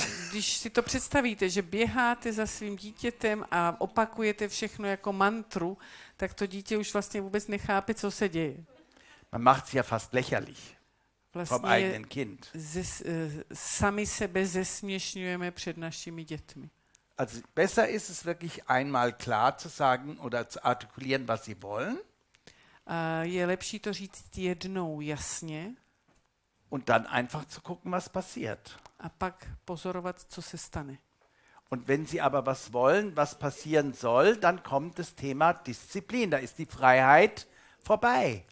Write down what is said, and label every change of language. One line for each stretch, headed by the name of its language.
Czech: Když si to představíte, že běháte za svým dítětem a opakujete všechno jako mantru, tak to dítě už vlastně vůbec nechápe, co se děje.
German: Man macht sich ja fast lächerlich. Vom eigenen Kind.
Czech: Sami sebe zesměšňujeme před našimi dětmi.
German: Also besser ist es wirklich einmal klar zu sagen oder zu artikulieren, was sie wollen.
Czech: Je lepší to říct jednou jasně.
German: Und dann einfach zu gucken, was passiert.
Czech: A pak pozorovat, co se stane.
German: Und wenn sie aber was wollen, was passieren soll, dann kommt das Thema Disziplin. Da ist die Freiheit vorbei.